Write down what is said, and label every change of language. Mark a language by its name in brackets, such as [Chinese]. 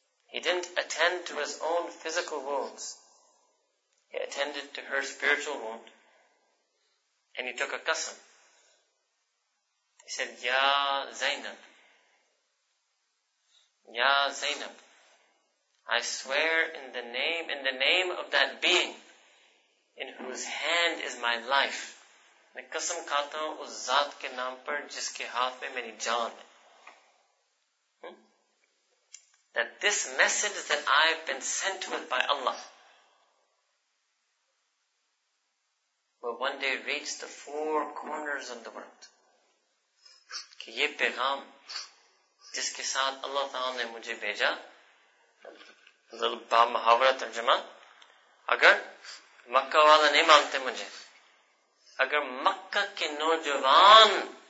[English] He didn't attend to his own physical wounds. He attended to her spiritual wound. And he took a qasam. He said, Ya Zainab. Ya Zainab. I swear in the name of that being in whose hand is my life. [Urdu] میں قسم کھاتا ہوں اس ذات کے نام پر جس کے ہاتھ میں میری جان ہے. [English] That this message that I've been sent with by Allah will one day reach the four corners of the world. [Urdu] کہ یہ پیغام جس کے ساتھ اللہ تعالی نے مجھے بھیجا, با محاورہ ترجمہ, اگر مکہ والا نہیں مانتے مجھے, اگر مکہ کے نوجوان